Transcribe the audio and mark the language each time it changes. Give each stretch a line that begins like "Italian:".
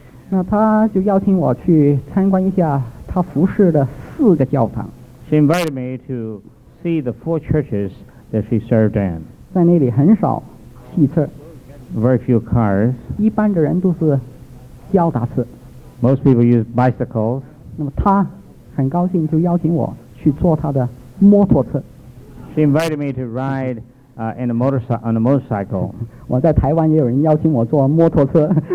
Chinese: 那他就邀请我去参观一下他服侍的四个教堂。
English: She invited me to see the four churches that she served in.
Chinese: 在那里很少汽车。
English: Very few cars.
Chinese: 一般的人都是脚踏车。
English: Most people use bicycles.
Chinese: 那么他很高兴就邀请我去坐他的摩托车。
English: She invited me to ride on a motorcycle.
Chinese: 我在台湾也有人邀请我坐摩托车。